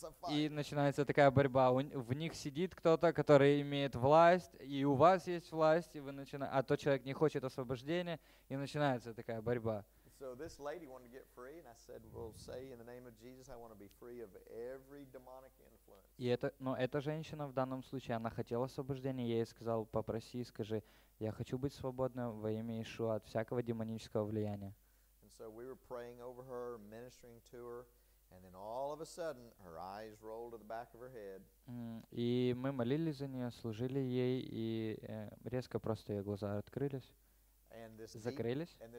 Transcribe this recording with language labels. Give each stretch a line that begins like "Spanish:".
Russian: И начинается такая борьба. В них сидит кто-то, который имеет власть, и у вас есть власть, и вы а тот человек не хочет освобождения, и начинается такая борьба.
English: So this lady wanted to get free, and I said, "Well, say in the name of Jesus, I want to be free of every demonic influence."
Russian: И это, но эта женщина в данном случае она хотела освобождения. Я ей сказал, попроси, скажи, я хочу быть свободным во имя Иешуа от всякого демонического влияния.
English: And so we were praying over her, ministering to her, and then all of a sudden, her eyes rolled to the back of her head.
Russian: И мы молились за нее, служили ей, и резко просто ее глаза открылись, закрылись.